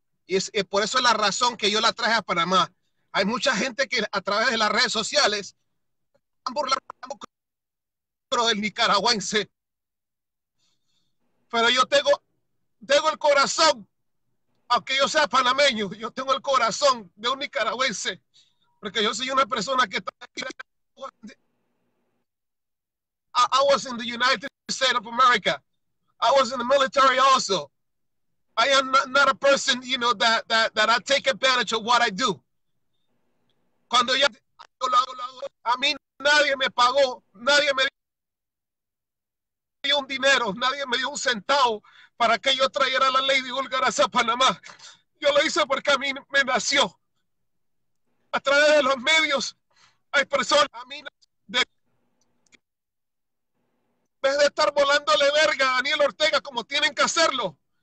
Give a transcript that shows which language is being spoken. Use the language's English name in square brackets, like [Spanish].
[Spanish] Y es por eso es la razón que yo la traje a Panamá. Hay mucha gente que a través de las redes sociales están burlando del nicaragüense. Pero yo tengo el corazón, aunque yo sea panameño, yo tengo el corazón de un nicaragüense. Porque yo soy una persona que está aquí. [English] I was in the United States of America. I was in the military also. I am not a person, you know, that I take advantage of what I do. [Spanish] Cuando ya a mí nadie me pagó, nadie me dio un dinero, nadie me dio un centavo para que yo trajera la ley de Ulgaras a Panamá. Yo lo hice porque a mí me nació. A través de los medios hay personas a mí de en vez de estar volándole verga a Daniel Ortega como tienen que hacerlo.